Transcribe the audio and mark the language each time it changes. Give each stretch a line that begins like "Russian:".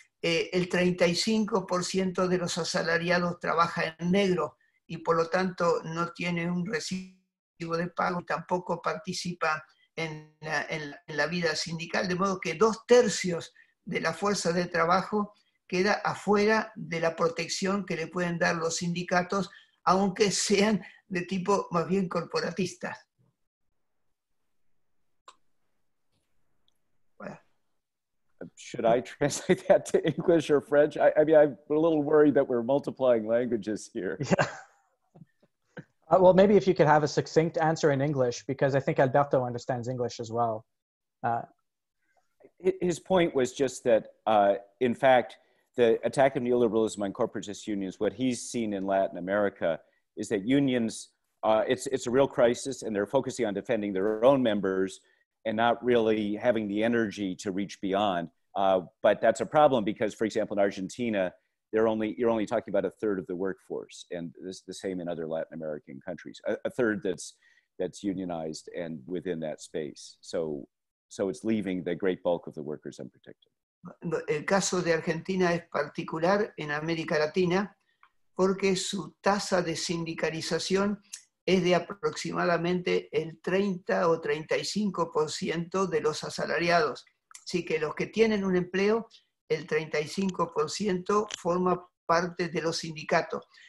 Spanish: El 35% de los asalariados trabaja en negro y por lo tanto no tiene un recibo de pago, tampoco participa en la vida sindical, de modo que dos tercios de la fuerza de trabajo queda afuera de la protección que le pueden dar los sindicatos, aunque sean de tipo más bien corporatista.
English: Should I translate that to English or French? I mean, I'm a little worried that we're multiplying languages here. Yeah. Well, maybe if you could have a succinct answer in English, because I think Alberto understands English as well. His point was just that, in fact, the attack of neoliberalism on corporatist unions, what he's seen in Latin America is that unions, it's a real crisis, and they're focusing on defending their own members and not really having the energy to reach beyond. But that's a problem because, for example, in Argentina, you're only talking about a third of the workforce, and this is the same in other Latin American countries, a third that's unionized and within that space. So it's leaving the great bulk of the workers unprotected.
Spanish: El caso de Argentina es particular en América Latina porque su tasa de sindicalización es de aproximadamente el 30 o 35% de los asalariados. Así que los que tienen un empleo, el 35% forma parte de los sindicatos.